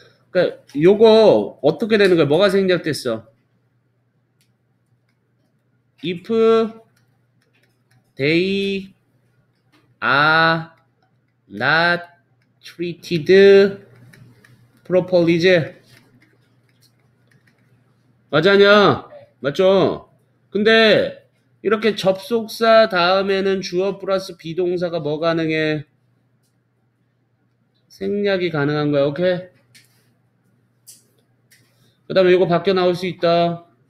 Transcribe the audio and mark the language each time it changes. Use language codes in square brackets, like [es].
[ko] 그러니까 요거 어떻게 되는 거야? 뭐가 생략됐어? [en] If they are not treated properly지. [ko] 맞아냐? 맞죠? 근데 이렇게 접속사 다음에는 주어 플러스 비동사가 뭐 가능해? 생략이 가능한 거야. 오케이? 그 다음에 이거 바뀌어 나올 수 있다.